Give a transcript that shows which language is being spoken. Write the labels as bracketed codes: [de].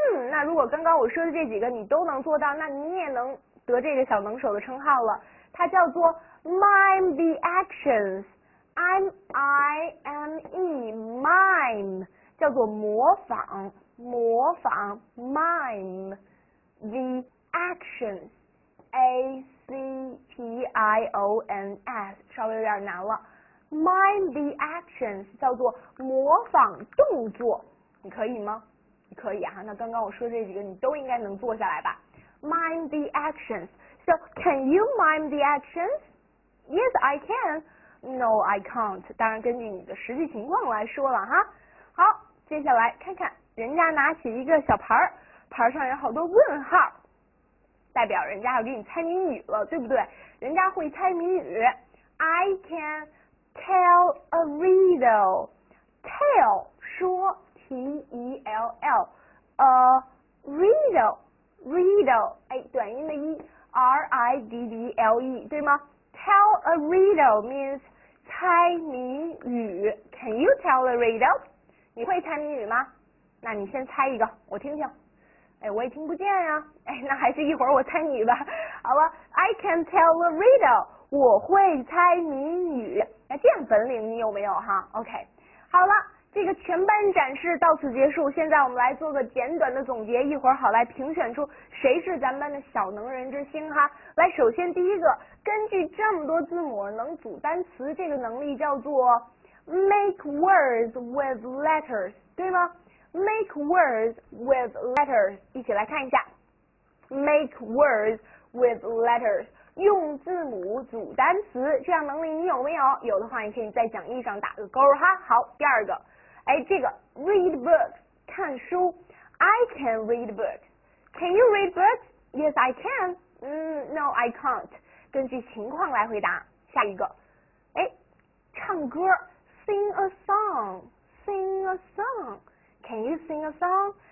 [zh] 那如果刚刚我说的这几个你都能做到，那你也能得这个小能手的称号了。它叫做 [en] mime the actions， [zh] M-I-M-E， mime， 叫做模仿 mime the actions， A-C-T-I-O-N-S， 稍微有点难了。 [en] mime the actions [zh] 叫做模仿动作，你可以吗？你可以啊，那刚刚我说这几个你都应该能做下来吧。 [en] mime the actions， so can you mime the actions？ Yes I can， No I can't， [zh] 当然根据你的实际情况来说了哈。好，接下来看看人家拿起一个小牌，牌上有好多问号，代表人家要给你猜谜语了，对不对？人家会猜谜语。 [en] I can tell a riddle， tell [zh] 说 [en] T-E-L-L， a riddle， 哎， [zh] 短音的 [en] E-R-I-D-D-L-E， 对吗？ Tell a riddle means [zh] 猜谜语。 [en] Can you tell a riddle？ [zh] 你会猜谜语吗？那你先猜一个我听听。哎，我也听不见呀。哎，那还是一会儿我猜谜吧。 [en] 好吧， I can tell a riddle， [zh] 我会猜谜语。那这样本领你有没有哈？OK， 好了，这个全班展示到此结束。现在我们来做个简短的总结，一会儿好来评选出谁是咱们班的小能人之星哈。来，首先第一个，根据这么多字母能组单词，这个能力叫做 [en] make words with letters， [zh] 对吗？ [en] make words with letters， [zh] 一起来看一下 make words with letters，用字母组单词，这样能力你有没有？有的话你可以在讲义上打个勾哈。 [en] 好，第二个，哎，这个 read books， [zh] 看书， [en] I can read books， Can you read books？ Yes I can， No I can't， [zh] 根据情况来回答。 [en] 下一个，哎， [zh] 唱歌， [en] sing a song， sing a song， Can you sing a song？